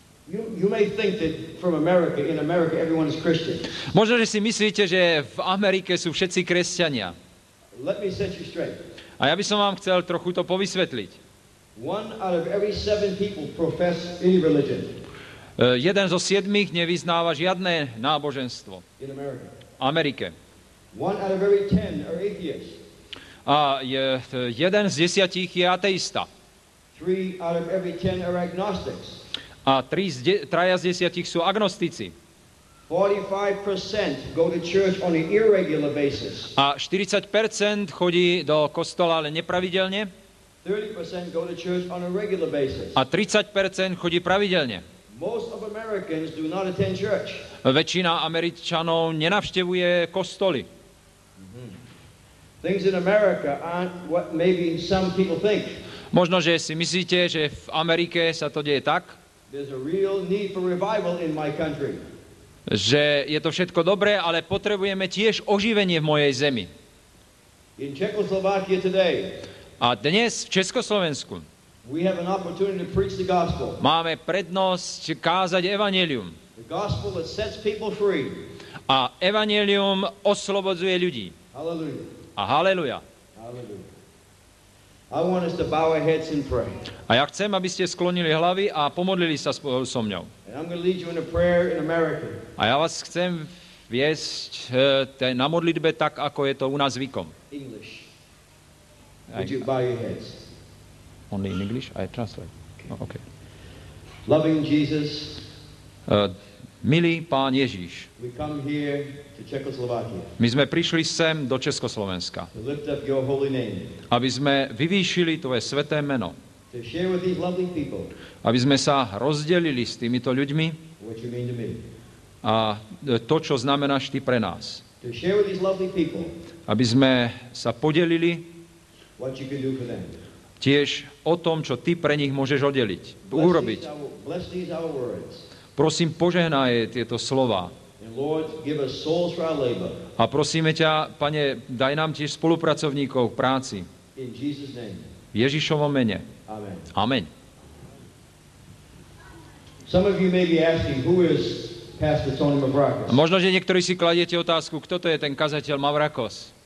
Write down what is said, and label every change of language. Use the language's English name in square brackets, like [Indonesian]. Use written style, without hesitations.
[English] You may think that from America, in America, everyone is Christian. [Slovak] Možno, že si myslíte, že v Amerike sú všetci kresťania. [English] Let me set you straight. [Slovak] A ja by som vám chcel trochu to povysvetliť. [English] One out of every seven people profess any religion. [Slovak] Jeden zo siedmých nevyznáva žiadne náboženstvo. [English] In America. [Slovak] Amerike. [English] One out of every ten are atheists. [Slovak] A jeden z desiatich je ateista. [English] Three out of every ten are agnostics. [Slovak] A traja z desiatich sú agnostici. [English] 45% go to church on an irregular basis. [Slovak] A 40% chodí do kostola, ale nepravidelne. [English] 30% go to church on a regular basis. [Slovak] A 30% chodí pravidelne. [English] Most of Americans do not attend church. [Slovak] Väčšina Američanov nenavštevuje kostoly. [English] Things in America aren't what maybe some people think. [Slovak] Možno, že si myslíte, že v Amerike sa to deje tak. [English] There's a real need for revival in my country. [Slovak] Že je to všetko dobré, ale potrebujeme tiež oživenie v mojej zemi. [English] In Czechoslovakia today. [Slovak] A dnes v Československu. [English] We have an opportunity to preach the gospel. [Slovak] Máme prednosť kázať evanjelium. [English] The gospel that sets people free. [Slovak] A evanjelium oslobodzuje ľudí. [English] Hallelujah. [Slovak] A haleluja. [English] Hallelujah. I want us to bow our heads and pray. [Slovak] A ja chcem, aby ste sklonili hlavy a pomodlili sa spolu so mňou. [English] And I'm going to lead you in a prayer in America. [Slovak] A ja vás chcem viesť na modlitbe tak, ako je to u nás zvykom. [English] English. Would you bow your heads? Only in English? I translate. Oh, okay. Loving Jesus. [Slovak] Milý Pán Ježiš. [English] We come here to Czechoslovakia. [Slovak] My sme prišli sem do Československa. [English] To lift up your holy name. [Slovak] Aby sme vyvýšili tvoje sväté meno. [English] To share with these lovely people. [Slovak] Aby sme sa rozdelili s týmito ľuďmi. [English] What you mean to me. [Slovak] A to, čo znamenáš ty pre nás. [English] To share with these lovely people. [Slovak] Aby sme sa podelili. [English] What you can do for them. [Slovak] Tiež o tom, čo ty pre nich môžeš oddeliť, urobiť. [English] Bless these our words. [Slovak] Prosím, požehnaj tieto slova. [English] Lord, give us souls for our labor. [Slovak] A prosíme ťa, Pane, daj nám tiež spolupracovníkov k práci. [English] In Jesus name. [Slovak] V Ježišovom mene. Amen. Amen. [English] Some of you may be asking, who is Pastor Tony Mavrakos? [Slovak] A možno, že niektorí si kladiete otázku, kto to je ten kazateľ Mavrakos?